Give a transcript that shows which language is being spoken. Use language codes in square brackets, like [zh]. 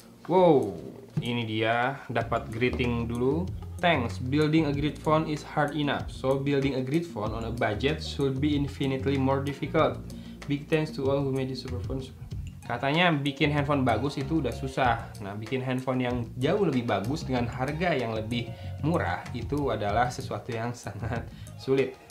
[id] Wow, ini dia, dapat greeting dulu. [en] Thanks, building a great phone is hard enough, so building a great phone on a budget should be infinitely more difficult. Big thanks to all who made this super phone. [id] Katanya bikin handphone bagus itu udah susah. Nah, bikin handphone yang jauh lebih bagus dengan harga yang lebih murah itu adalah sesuatu yang sangat sulit.